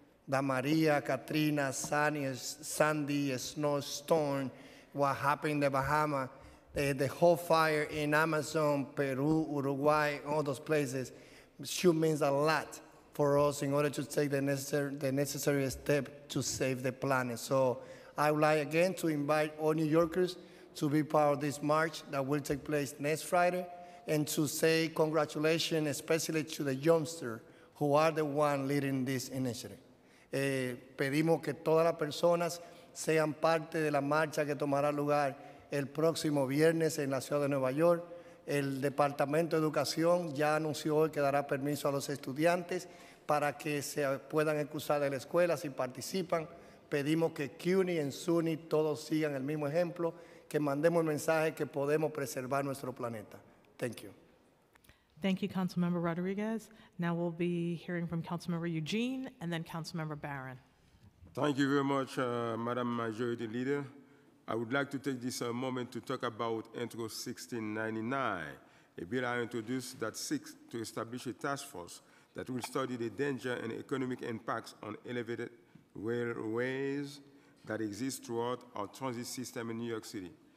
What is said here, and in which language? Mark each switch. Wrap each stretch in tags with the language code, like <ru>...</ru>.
<en>that Maria, Katrina, Sandy, Snow, Storm, what happened in the Bahamas, the whole fire in Amazon, Peru, Uruguay, all those places, sure means a lot for us in order to take the necessary step to save the planet. So I would like again to invite all New Yorkers to be part of this march that will take place next Friday, and to say congratulations, especially to the youngsters who are the ones leading this initiative.</en> <es>Pedimos que todas las personas sean parte de la marcha que tomará lugar el próximo viernes en la ciudad de Nueva York. El Departamento de Educación ya anunció hoy que dará permiso a los estudiantes para que se puedan excusar de la escuela si participan. Pedimos que CUNY y SUNY todos sigan el mismo ejemplo, que mandemos el mensaje que podemos preservar nuestro planeta.</es> <en>Thank you. Thank you, Councilmember Rodriguez. Now we'll be hearing from Councilmember Eugene and then Councilmember Barron. Thank you very much, Madam Majority Leader. I would like to take this moment to talk about Intro 1699, a bill I introduced that seeks to establish a task force that will study the danger and economic impacts on elevated railways that exist throughout our transit system in New York City.</en>